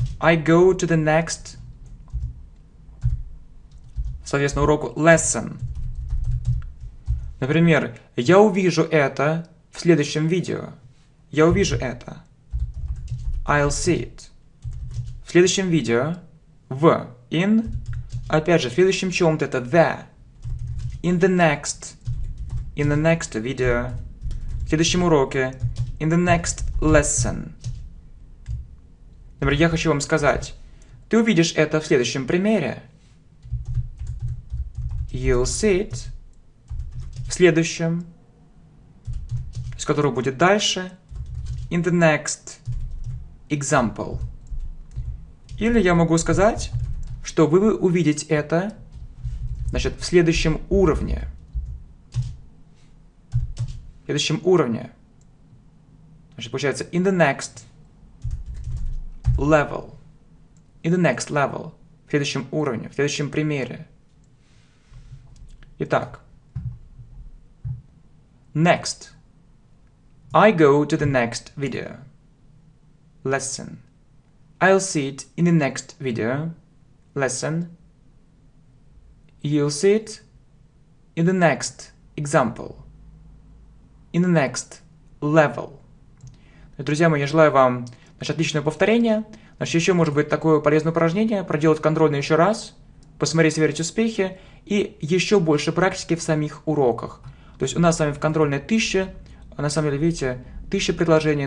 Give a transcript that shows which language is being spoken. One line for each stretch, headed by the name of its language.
English: I go to the next,
Russian: соответственно, уроку
English: lesson.
Russian: Например, я увижу это в следующем видео. Я увижу это.
English: I'll see it.
Russian: В следующем видео. В.
English: In.
Russian: Опять же, в следующем чем-то это there.
English: In the next. In the next video.
Russian: В следующем уроке.
English: In the next lesson.
Russian: Например, я хочу вам сказать. Ты увидишь это в следующем примере.
English: You'll see it.
Russian: В следующем, с которого будет дальше,
English: in the next example.
Russian: Или я могу сказать, что вы увидите это, значит, в следующем уровне. В следующем уровне. Значит, получается,
English: in the next level. In the next level.
Russian: В следующем уровне, в следующем примере. Итак.
English: Next. I go to the next video. Lesson. I'll see it in the next video lesson. You'll see it in the next example. In the next level.
Russian: Друзья мои, я желаю вам, значит, отличное повторение. Значит, еще может быть такое полезное упражнение. Проделать контрольно еще раз. Посмотреть, сверить успехи. И еще больше практики в самих уроках. То есть у нас с вами в контрольной 1000. На самом деле, видите, 1000 предложений.